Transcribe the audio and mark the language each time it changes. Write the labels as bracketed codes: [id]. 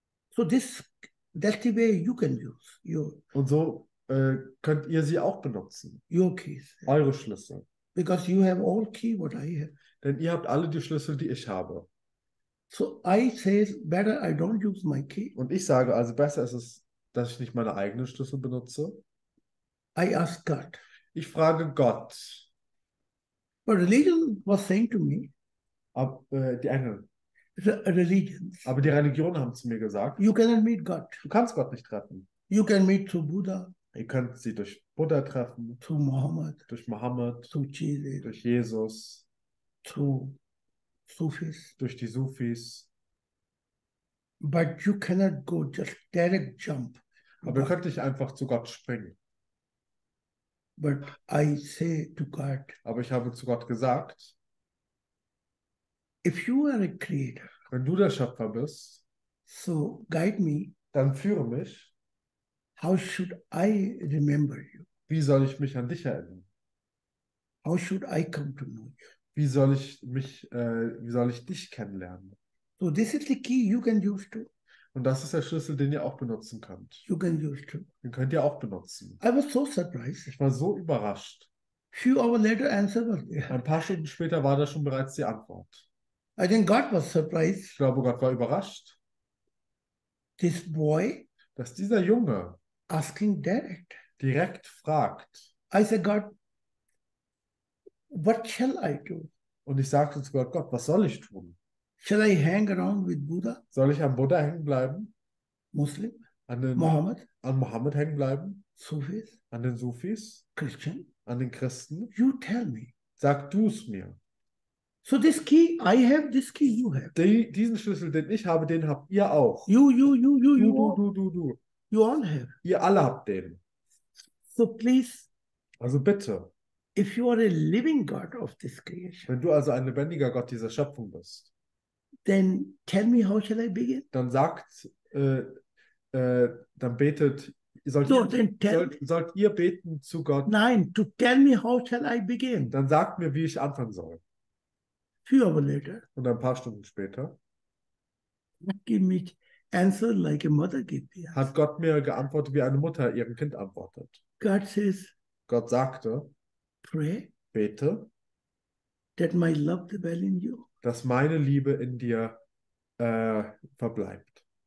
[en] So this, that's the way you can use your, [de] und so könnt ihr sie auch benutzen. [en] Your keys. [de] Eure Schlüssel. [en] Because you have all key what I have. [de] Denn ihr habt alle die Schlüssel, die ich habe. [en] So I say, better I don't use my key. [de] Und ich sage also, besser ist es, dass ich nicht meine eigenen Schlüssel benutze. [en] I ask God. [de] Ich frage Gott. [en] But religion was saying to me. [de] Die Engel. [en] Religions. [de] Aber die Religionen haben zu mir gesagt. [en] You cannot meet God. [de] Du kannst Gott nicht treffen. [en] You can meet to Buddha. [de] Ihr könnt sie durch Buddha treffen. [en] To Muhammad. [de] Durch Muhammad. [en] To Jesus. [de] Durch Jesus. [en] To Sufis. [de] Durch die Sufis. [en] But you cannot go just direct jump. [de] Aber ihr könnt nicht einfach zu Gott springen. [en] But I say to God. [de] Aber ich habe zu Gott gesagt. [en] If you are a creator. [de] Wenn du der Schöpfer bist. [en] So guide me. [de] Dann führe mich. [en] How should I remember you? [de] Wie soll ich mich an dich erinnern? [en] How should I come to know you? [de] Wie soll ich mich, wie soll ich dich kennenlernen? [en] So this is the key you can use too. [de] Und das ist der Schlüssel, den ihr auch benutzen könnt. [en] You can use too. [de] Den könnt ihr auch benutzen. [en] I was so surprised. [de] Ich war so überrascht. [en] Few hours later answer was there. [de] Ein paar Stunden später war da schon bereits die Antwort. [en] I think God was surprised. [de] Ich glaube, Gott war überrascht. [en] This boy. [de] Dass dieser Junge [en] asking direct. [de] Direkt fragt. [en] I said, God, what shall I do? [de] Und ich sagte zu Gott, Gott, was soll ich tun? [en] Shall I hang around with Buddha? [de] Soll ich am Buddha hängen bleiben? [en] Muslim? [de] An den [en] Mohammed? [de] An Mohammed hängen bleiben? [en] Sufis? [de] An den Sufis? [en] Christian? [de] An den Christen? [en] You tell me. [de] Sag du es mir. [en] So this key I have, this key you have. [de] Diesen Schlüssel, den ich habe, den habt ihr auch. [en] You you all have. [de] Ihr alle habt den. [en] So please. [de] Also bitte. [en] If you are a living God of this creation. [de] Wenn du also ein lebendiger Gott dieser Schöpfung bist. [en] Then tell me how shall I begin? [de] Dann sagt, dann betet. Sollt ihr beten zu Gott? [en] Nein, to tell me how shall I begin? [de] Dann sagt mir, wie ich anfangen soll. Und ein paar Stunden später hat Gott mir geantwortet, wie eine Mutter ihrem Kind antwortet. Gott sagte, bete, dass meine Liebe in dir verbleibt.